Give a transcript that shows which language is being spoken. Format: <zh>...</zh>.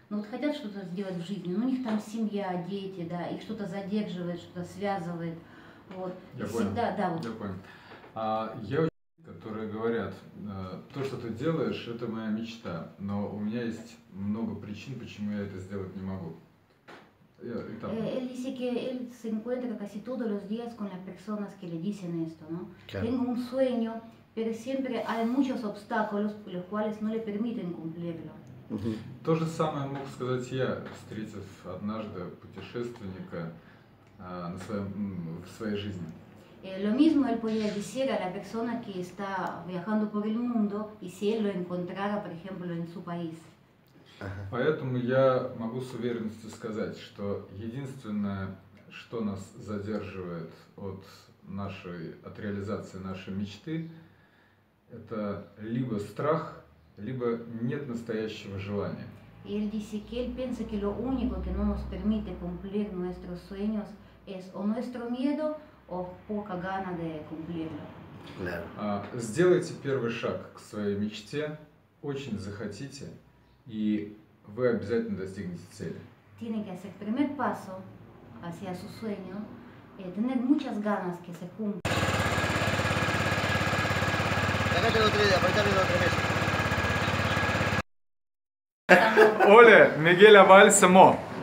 <ru>Хотят что-то сделать в жизни, но у них там семья, дети, да, их что-то задерживает, что-то связывает. Вот. Я всегда, понял. Да, вот. Я понял. Я учитель, которые говорят, то, что ты делаешь, это моя мечта, но у меня есть много причин, почему я это сделать не могу.</ru> <es>Él dice que él se encuentra casi todos los días con las personas que le dicen esto, ¿no? Claro. Tengo un sueño, pero siempre hay muchos obstáculos los cuales no le permiten cumplirlo.</es> <ru>То же самое мог сказать я, встретив однажды путешественника на своем, в своей жизни.</ru> <es>Lo mismo él podría decir a la persona que está viajando por el mundo y si él lo encontrara, por ejemplo, en su país.</es> <ru>Поэтому я могу с уверенностью сказать, что единственное, что нас задерживает от нашей, от реализации нашей мечты, это либо страх, либо нет настоящего желания.</ru> <es>И él dice que él piensa que lo único que no nos permite cumplir nuestros sueños es o nuestro miedo o poca gana de cumplirlo. Claro.</es> <ru>Сделайте первый шаг к своей мечте, очень захотите, и вы обязательно достигнете цели.</ru> <es>Tiene que hacer primer paso hacia su sueño, tener muchas ganas que se cumpla. Acá tengo otra idea, apretarle los tres meses.</es> <ru>Оля, Мигель Аваль, само.</ru>